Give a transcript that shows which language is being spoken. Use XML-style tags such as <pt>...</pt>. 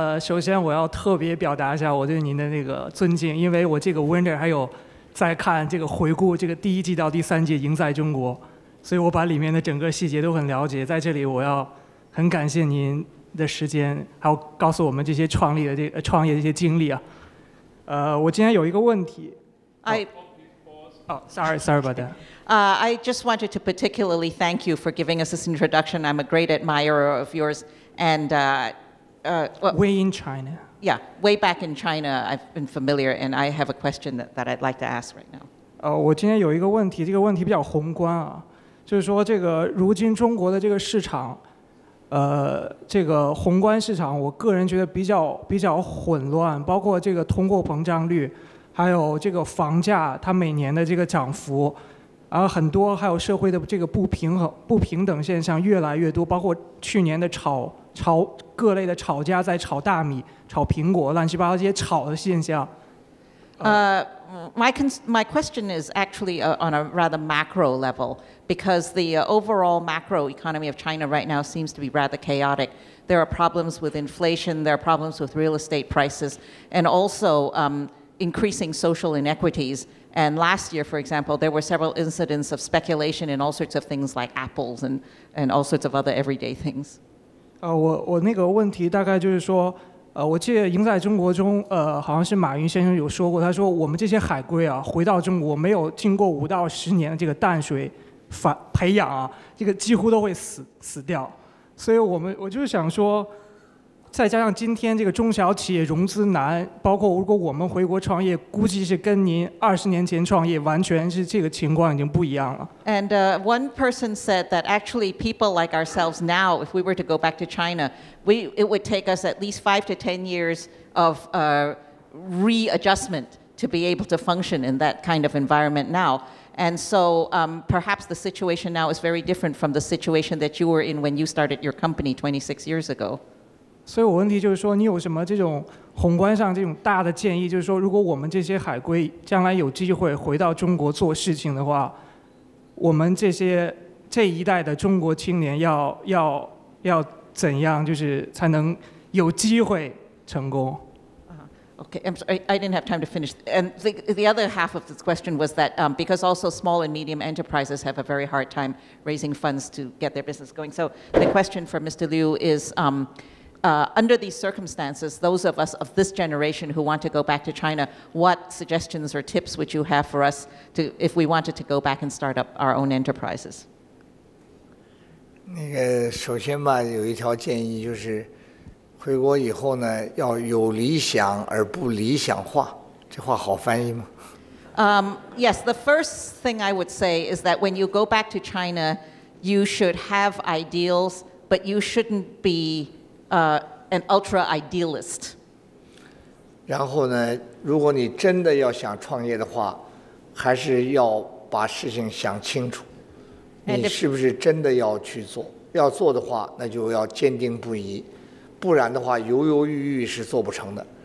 <zh>首先我要特别表达一下我对您的那个尊敬，因为我这个 Winter 还有在看这个回顾这个第一季到第三季《赢在中国》，所以我把里面的整个细节都很了解。在这里，我要很感谢您的时间，还有告诉我们这些创立的这个创业的一些经历啊。我今天有一个问题。</zh> <en>Sorry about that. I just wanted to particularly thank you for giving us this introduction. I'm a great admirer of yours. And way in China. Yeah, way back in China, I've been familiar, and I have a question that I'd like to ask right now.</en> <zh>我今天有一个问题，这个问题比较宏观啊，就是说这个如今中国的这个市场，这个宏观市场，我个人觉得比较混乱，包括这个通货膨胀率，还有这个房价它每年的这个涨幅，然后很多还有社会的这个不平等现象越来越多，包括去年的炒各类的炒家在炒大米、炒苹果、乱七八糟这些炒的现象。</zh> <en>My question is actually on a rather macro level, because the overall macro economy of China right now seems to be rather chaotic. There are problems with inflation, there are problems with real estate prices, and also increasing social inequities. And last year, for example, there were several incidents of speculation in all sorts of things like apples and all sorts of other everyday things.</en> <zh>我那个问题大概就是说，我记得赢在中国中，好像是马云先生有说过，他说我们这些海归啊，回到中国没有经过五到十年的这个淡水培养啊，这个几乎都会死掉。所以我就是想说，再加上今天这个中小企业融资难，包括如果我们回国创业，估计是跟您二十年前创业完全是这个情况已经不一样了。</zh> <en>And one person said that actually people like ourselves now, if we were to go back to China, it would take us at least 5 to 10 years of readjustment to be able to function in that kind of environment now. And so perhaps the situation now is very different from the situation that you were in when you started your company 26 years ago.</en> <zh>所以我问题就是说，你有什么这种宏观上这种大的建议？就是说，如果我们这些海归将来有机会回到中国做事情的话，我们这些这一代的中国青年要怎样，就是才能有机会成功。</zh> <en>Okay, I'm sorry, I didn't have time to finish. And the other half of this question was that because also small and medium enterprises have a very hard time raising funds to get their business going. So the question for Mr. Liu is, under these circumstances, those of us of this generation who want to go back to China, what suggestions or tips would you have for us to, if we wanted to go back and start up our own enterprises?</en> <zh>那个首先吧，有一条建议就是回国以后呢，要有理想而不理想化。这话好翻译吗？</zh> <en>Yes, the first thing I would say is that when you go back to China, you should have ideals, but you shouldn't be an ultra idealist.</en> <zh>然后呢，如果你真的要想创业的话，还是要把事情想清楚，你是不是真的要去做？要做的话，那就要坚定不移。不然的话，犹犹豫豫是做不成的。</zh>